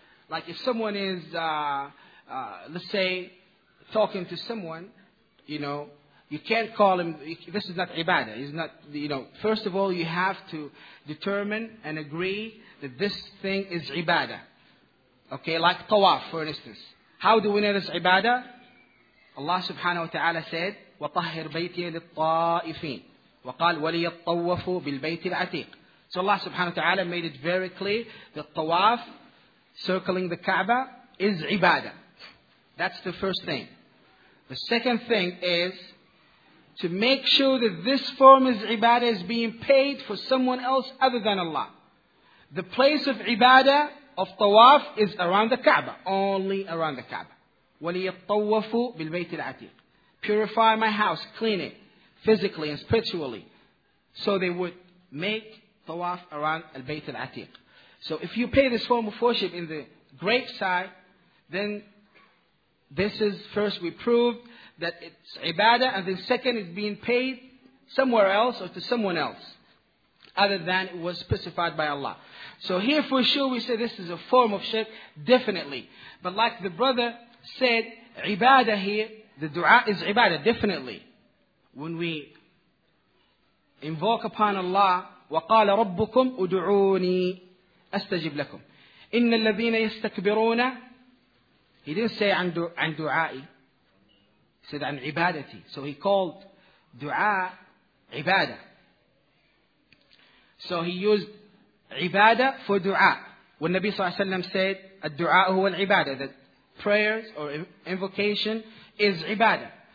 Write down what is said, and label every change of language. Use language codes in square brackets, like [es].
[en] Like if someone is, let's say, talking to someone, you know, you can't call him, this is not ibadah. He's not, you know, first of all, you have to determine and agree that this thing is ibadah. Okay, like tawaf, for instance. How do we know this ibadah? Allah subhanahu wa ta'ala said, [ar] وَطَهِّرْ بَيْتِيَ لِلطَّائِفِينَ وَقَالْ وَلِيَطَّوَّفُوا بِالْبَيْتِ الْعَتِيقِ. [en] So Allah subhanahu wa ta'ala made it very clear that tawaf, circling the Kaaba, is ibadah. That's the first thing. The second thing is to make sure that this form of ibadah is being paid for someone else other than Allah. The place of ibadah, of tawaf, is around the Kaaba. Only around the Kaaba. [ar] وَلِيَطَّوَّفُوا بِالْبَيْتِ الْعَتِيقِ. [en] Purify my house, clean it, physically and spiritually. So they would make tawaf around al-Bayt al-Atiq. So if you pay this form of worship in the grave site, then this is first we proved that it's ibadah, and then second it's being paid somewhere else or to someone else, other than it was specified by Allah. So here for sure we say this is a form of shirk, definitely. But like the brother said, ibadah here, the dua is ibadah, definitely. When we invoke upon Allah, [ar] وَقَالَ رَبُّكُمْ أُدُعُونِي أَسْتَجِبْ لَكُمْ إِنَّ الَّذِينَ يَسْتَكْبِرُونَ. [en] He didn't say [ar] عن دعائي, [en] he said [ar] عن عبادتي. [en] So he called dua ibadah. So he used ibadah for dua. When Nabi صلى الله عليه وسلم said, [ar] الدُعَاء هو العبادة, [en] that prayers or invocation is ibadah.